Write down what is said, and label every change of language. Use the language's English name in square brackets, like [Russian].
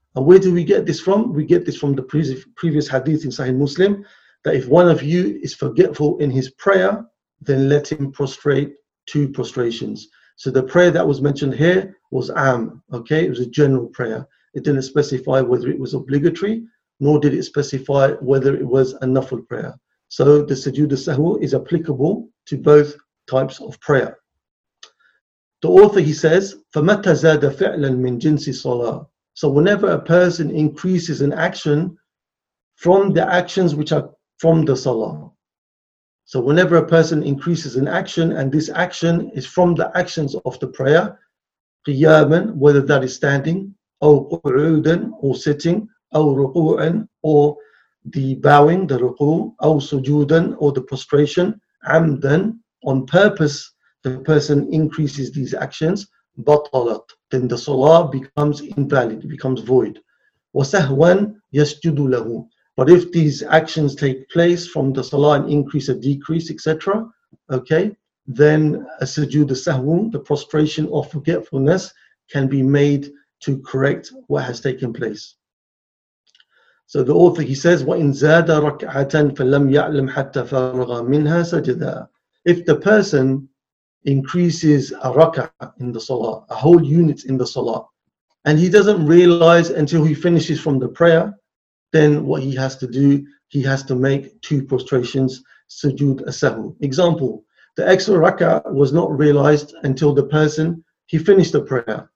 [English] And where do we get this from? We get this from the previous hadith in Sahih Muslim, that if one of you is forgetful in his prayer, then let him prostrate two prostrations. So the prayer that was mentioned here was am, okay? It was a general prayer. It didn't specify whether it was obligatory, nor did it specify whether it was a nafl prayer. So the sujood as-sahwu is applicable to both types of prayer. The author, he says, [Arabic] فَمَتَّ زَادَ فِعْلًا مِنْ جِنْسِ صَلَاةٍ. [English] So whenever a person increases an action from the actions which are from the salah. So whenever a person increases an action, and this action is from the actions of the prayer, قِيَامًا, whether that is standing, [Arabic] أو قُعُودًا, [English] or sitting, [Arabic] أو رُقُوعًا, [English] or the bowing, the ruku, [Arabic] أو سُجُودًا, [English] or the prostration, عَمْدًا, on purpose, the person increases these actions, بطلت, then the salah becomes invalid, becomes void. [Arabic] وَسَهْوًا يَسْجُدُ لَهُ. [English] But if these actions take place from the salah, an increase, a decrease, etc., okay, then a sujood as-sahwu, the prostration of forgetfulness, can be made to correct what has taken place. So the author, he says, [Arabic] وَإِنْ زَادَ رَكْعَةً فَلَمْ يَعْلَمْ حَتَّى فَارَغَ مِنْهَا سَجَدًا. [English] If the person increases a rak'ah in the salah, a whole unit in the salah, and he doesn't realize until he finishes from the prayer, then what he has to do, he has to make two prostrations, sujood as-sahwu. Example, the extra rak'ah was not realized until the person, he finished the prayer.